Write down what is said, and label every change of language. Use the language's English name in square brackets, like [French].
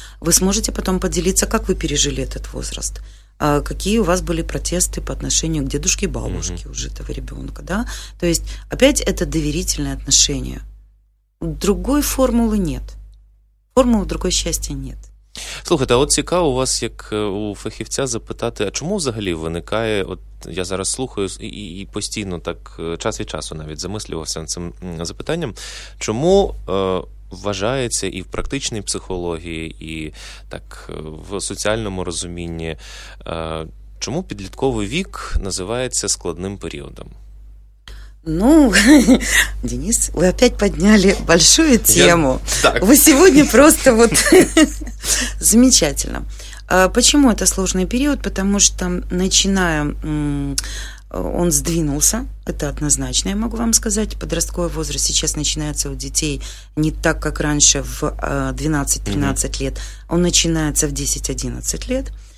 [Russian] Вы сможете потом поделиться, как вы пережили этот возраст. Какие у вас были протесты по отношению к дедушке и бабушке уже этого ребенка, да? То есть опять это доверительное отношение. Другой формулы нет. Формулы другой счастья нет. [Ukrainian] Слухайте, а от цікаво у вас, як у фахівця, запитати, а чому взагалі виникає, от я зараз слухаю і постійно так час від часу навіть замислювався над цим запитанням, чому вважається і в практичній психології, і так в соціальному розумінні, чому підлітковий вік називається складним періодом? Ну, Денис, ви [Russian] опять [Ukrainian] підняли [Russian] большую тему. [Ukrainian] Ви сьогодні [Russian] просто вот замечательно. Почему это сложный период? Потому что начиная он сдвинулся, это однозначно, я могу вам сказать. Подростковый возраст сейчас начинается у детей не так, как раньше в 12-13 лет, он начинается в 10-11 лет.